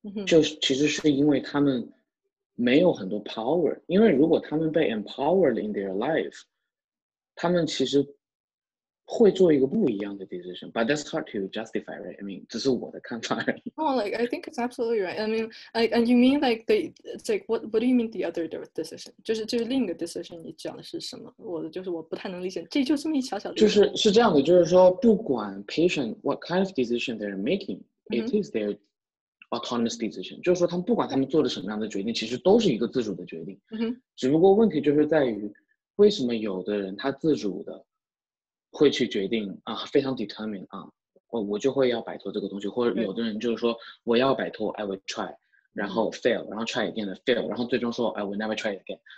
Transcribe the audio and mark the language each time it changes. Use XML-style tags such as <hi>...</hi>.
<zh>就是其实是因为他们没有很多 power，因为如果他们被</zh> <en>empowered in their life，</en> <zh>他们其实会做一个不一样的</zh> <en>decision, but that's hard to justify, right? I mean,</en> <zh>只是我的看法。</zh> <en>Oh, like, I think it's absolutely right. I mean, like, and you mean like, they, it's like, what do you mean the other decision?</en> <zh>就是另一个 decision, 你讲的是什么？我的就是我不太能理解，这就这么一小小的。就是这样的，就是说不管</zh> <en>patient what kind of decision they're making, it is their autonomous decision.</en> <zh>就是说他们不管他们做的什么样的决定，其实都是一个自主的决定。 Mm-hmm. 只不过问题就是在于为什么有的人他自主的会去决定啊，非常 determined 啊，我就会要摆脱这个东西，或者有的人就是说我要摆脱 ，</zh> <en>I will try，</en> <zh>然后 fail， 然后</zh> <en>try again</en> <zh>的 fail， 然后最终说</zh> <en>I will never try again。</en>